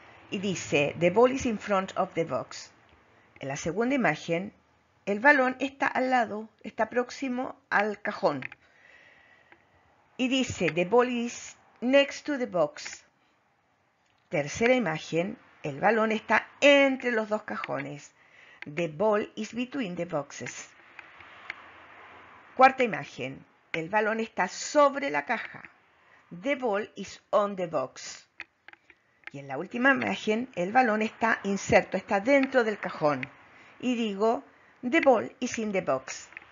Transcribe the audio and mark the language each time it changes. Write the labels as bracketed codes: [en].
[es] Y dice, [en] the ball is in front of the box. [es] En la segunda imagen, el balón está al lado, está próximo al cajón. Y dice, [en] the ball is next to the box. [es] Tercera imagen, el balón está entre los dos cajones. [en] The ball is between the boxes. [es] Cuarta imagen, el balón está sobre la caja. [en] The ball is on the box. [es] Y en la última imagen, el balón está inserto, está dentro del cajón. Y digo, [en] the ball is in the box.